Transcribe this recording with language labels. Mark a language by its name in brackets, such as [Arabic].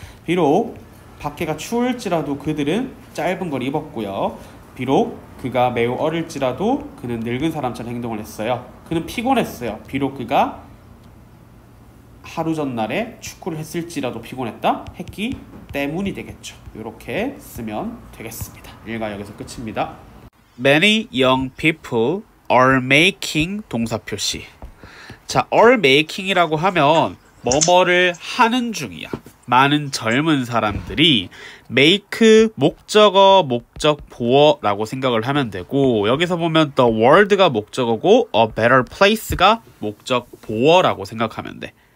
[Korean] 비록 밖에가 추울지라도 그들은 짧은 걸 입었고요. 비록 그가 매우 어릴지라도 그는 늙은 사람처럼 행동을 했어요. 그는 피곤했어요. 비록 그가 하루 전날에 축구를 했을지라도 피곤했다. 했기 때문이 되겠죠. 이렇게 쓰면 되겠습니다. 일과 여기서 끝입니다. [English] Many young people are making [Korean] 동사 표시. 자, are making이라고 하면 뭐뭐를 하는 중이야. 많은 젊은 사람들이 make 목적어 목적보어라고 생각을 하면 되고, 여기서 보면 the world가 목적어고 a better place가 목적보어라고 생각하면 돼.